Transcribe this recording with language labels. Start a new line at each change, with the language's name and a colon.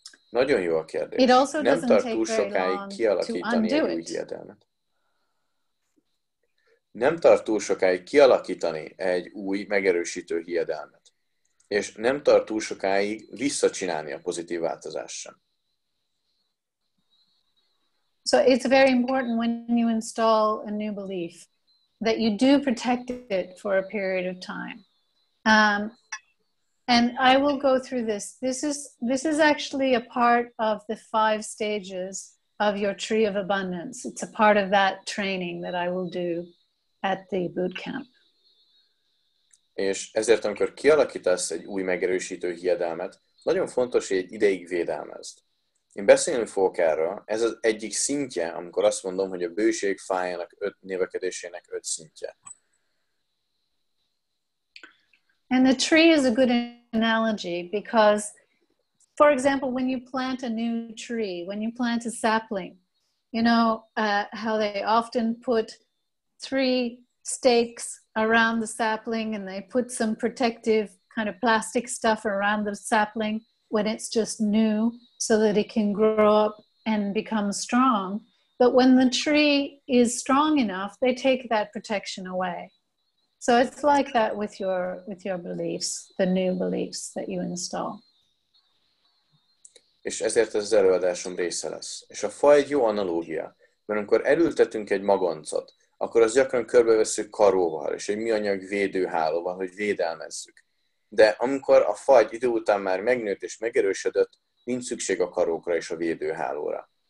Hungarian: Nagyon jó a kérdés.
English: It also doesn't take very long to undo it.
Hungarian: Kialakítani egy új hiedelmet. nem tart túl sokáig kialakítani egy új, megerősítő hiedelmet. És nem tart túl sokáig visszacsinálni a pozitív változást sem.
English: So it's very important when you install a new belief that you do protect it for a period of time. And I will go through this. This is actually a part of the five stages of your tree of abundance. It's a part of that training that I will do at the boot camp.
Hungarian: És ezért, amikor kialakítasz egy új megerősítő hiedelmet, nagyon fontos, hogy egy ideig védelmezd. Én beszélni fogok erről, ez az egyik szintje, amikor azt mondom, hogy a bőség fájának öt növekedésének öt szintje.
English: And the tree is a good analogy because, for example, when you plant a new tree, when you plant a sapling, you know how they often put three stakes around the sapling and they put some protective kind of plastic stuff around the sapling when it's just new so that it can grow up and become strong. But when the tree is strong enough, they take that protection away. So it's like that with your beliefs, the new beliefs that you install.
Hungarian: És ezért ez az előadásom része lesz. És a fa egy jó analógia, mert amikor elültetünk egy magoncot, akkor az gyakran körbevesszük karóval, és egy műanyag védőhálóval, hogy védelmezzük. De amikor a fa egy idő után már megnőtt és megerősödött, nincs szükség a karókra és a védőhálóra.